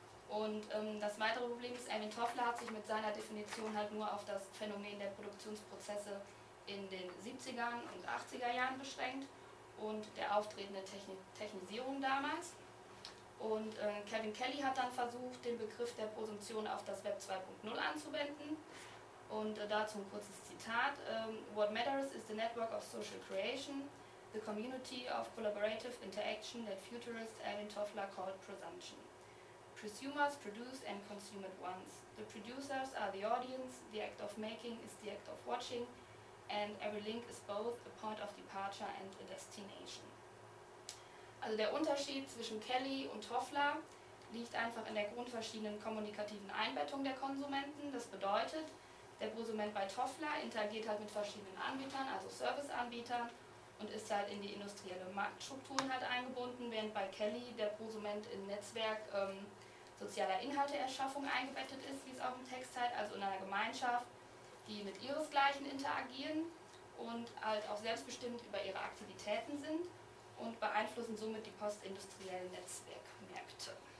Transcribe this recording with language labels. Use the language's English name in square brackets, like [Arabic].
[German] Und das weitere Problem ist, Erwin Troffler hat sich mit seiner Definition halt nur auf das Phänomen der Produktionsprozesse in den 70ern und 80er Jahren beschränkt und der auftretenden Technisierung damals. Und Kevin Kelly hat dann versucht, den Begriff der Präsumption auf das Web 2.0 anzuwenden. Und dazu ein kurzes Zitat. [English] What matters is the network of social creation, the community of collaborative interaction that futurist Erwin Troffler called presumption. Presumers produce and consume at once. The producers are the audience, the act of making is the act of watching, and every link is both a point of departure and a destination. [German] Also der Unterschied zwischen Kelly und Troffler liegt einfach in der grundverschiedenen kommunikativen Einbettung der Konsumenten. Das bedeutet, der Prosument bei Troffler interagiert halt mit verschiedenen Anbietern, also Serviceanbietern, und ist halt in die industrielle Marktstrukturen halt eingebunden, während bei Kelly der Prosument in Netzwerk sozialer Inhalteerschaffung eingebettet ist, wie es auch im Text halt, also in einer Gemeinschaft, die mit ihresgleichen interagieren und halt auch selbstbestimmt über ihre Aktivitäten sind und beeinflussen somit die postindustriellen Netzwerkmärkte.